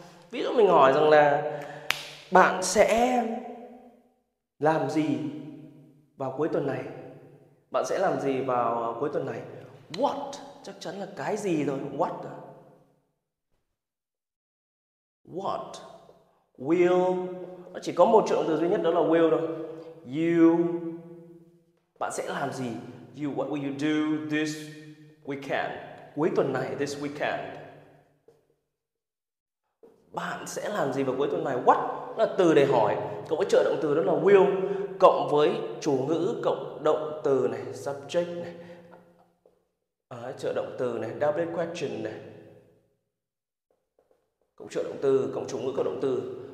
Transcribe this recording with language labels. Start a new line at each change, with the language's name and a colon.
Vietnamese: Ví dụ mình hỏi rằng là bạn sẽ làm gì vào cuối tuần này? Bạn sẽ làm gì vào cuối tuần này?
English: What?
Vietnamese: Chắc chắn là cái gì rồi. What?
English: What? Will.
Vietnamese: Nó chỉ có một triệu động từ duy nhất, đó là will thôi.
English: You.
Vietnamese: Bạn sẽ làm gì?
English: You, what will you do this weekend?
Vietnamese: Cuối tuần này,
English: this weekend.
Vietnamese: Bạn sẽ làm gì vào cuối tuần này?
English: What?
Vietnamese: Nó là từ để hỏi. Cậu có trợ động từ, đó là will. Cộng với chủ ngữ, cộng động từ này, subject này. Trợ động từ này, W question này, cộng trợ động từ, cộng chủ ngữ, cộng động từ.